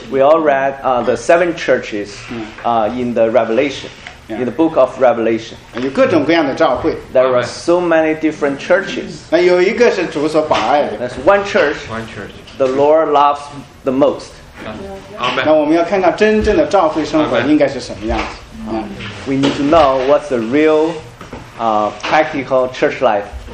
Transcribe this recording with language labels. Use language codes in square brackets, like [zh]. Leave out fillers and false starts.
[en] We all read the seven churches in the Revelation, in the book of Revelation. [zh] 有各种各样的教会。 [en] There are so many different churches. [zh] 那有一个是主所保爱的。 [en] That's one church. One church. The Lord loves the most. Amen. [zh] 那我们要看看真正的教会生活应该是什么样子。 [en] We need to know what's the real, practical church life.